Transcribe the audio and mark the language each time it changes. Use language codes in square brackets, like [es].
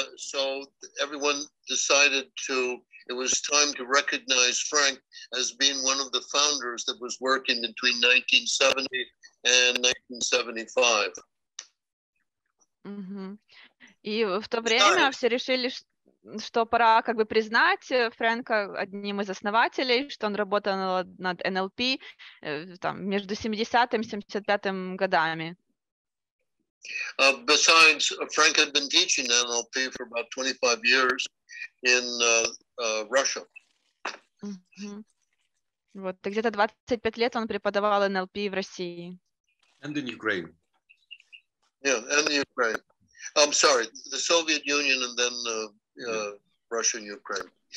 [en] So everyone decided to, it was time to recognize Frank as being one of the founders that was working between 1970 and 1975. [ru] И в то время все решили, что пора как бы признать Фрэнка одним из основателей, что он работал над NLP там, между 70-м и 75-м годами. [en] Besides, Frank had been teaching NLP for about 25 years in Russia. [ru] Вот, где-то 25 лет он преподавал NLP в России. [en] And in Ukraine. Yeah, and in Ukraine. I'm sorry, the Soviet Union and then Russia and Ukraine.